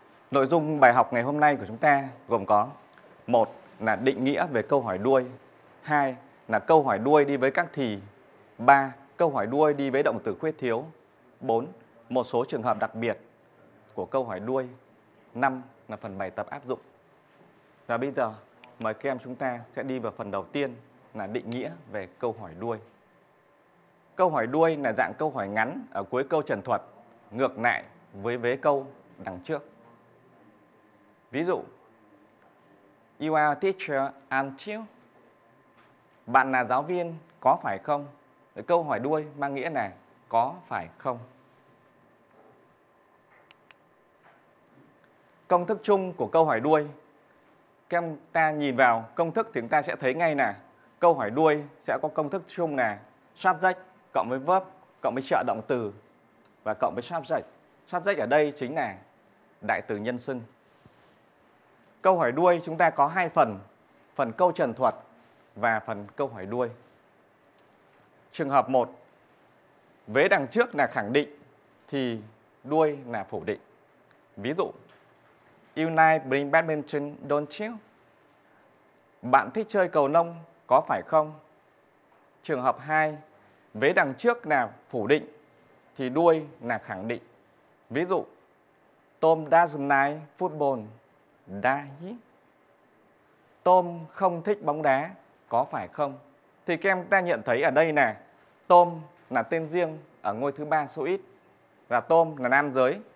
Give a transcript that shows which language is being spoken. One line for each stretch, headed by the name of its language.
Vietnamese: Nội dung bài học ngày hôm nay của chúng ta gồm có: một là định nghĩa về câu hỏi đuôi, hai là câu hỏi đuôi đi với các thì, ba câu hỏi đuôi đi với động từ khuyết thiếu, bốn một số trường hợp đặc biệt của câu hỏi đuôi, năm là phần bài tập áp dụng. Và bây giờ mời các em chúng ta sẽ đi vào phần đầu tiên là định nghĩa về câu hỏi đuôi. Câu hỏi đuôi là dạng câu hỏi ngắn ở cuối câu trần thuật, ngược lại với vế câu đằng trước. Ví dụ:
English: You are a teacher, aren't you?
Vietnamese: Bạn là giáo viên, có phải không? Câu hỏi đuôi mang nghĩa là có phải không? Công thức chung của câu hỏi đuôi. Các em ta nhìn vào công thức thì chúng ta sẽ thấy ngay là câu hỏi đuôi sẽ có công thức chung là subject cộng với verb cộng với trợ động từ và cộng với subject. Subject ở đây chính là đại từ nhân xưng. Câu hỏi đuôi chúng ta có hai phần: phần câu trần thuật và phần câu hỏi đuôi. Trường hợp 1, vế đằng trước là khẳng định thì đuôi là phủ định. Ví dụ:
English: You like playing badminton, don't you?
Vietnamese: Bạn thích chơi cầu lông, có phải không? Trường hợp 2, vế đằng trước là phủ định thì đuôi là khẳng định. Ví dụ:
English: Tom doesn't like football, does he?
Vietnamese: Tom không thích bóng đá, có phải không? Thì các em ta nhận thấy ở đây là Tom là tên riêng ở ngôi thứ ba số ít và Tom là nam giới.